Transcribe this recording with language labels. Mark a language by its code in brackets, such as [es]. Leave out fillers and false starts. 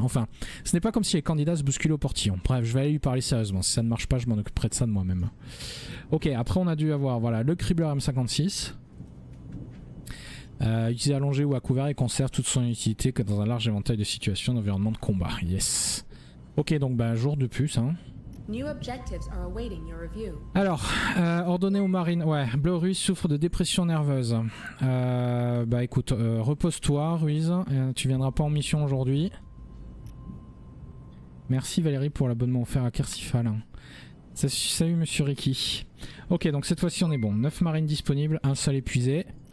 [fr] Enfin, ce n'est pas comme si les candidats se bousculaient au portillon. Bref, je vais aller lui parler sérieusement. Si ça ne marche pas, je m'en occuperai de ça de moi-même. Ok, après on a dû avoir voilà, le cribleur M56. Utiliser allongé ou à couvert et conserve toute son utilité que dans un large éventail de situations d'environnement de combat. Yes. Ok, donc ben, jour de plus. Hein. [en] New objectives are awaiting your review. [fr] Alors, ordonner aux marines. Ouais, Bleu Ruiz souffre de dépression nerveuse. Bah écoute, repose-toi, Ruiz. Tu viendras pas en mission aujourd'hui. Merci Valérie pour l'abonnement offert à Kersifal. Salut monsieur Ricky. Ok, donc cette fois-ci on est bon. 9 marines disponibles, un seul épuisé.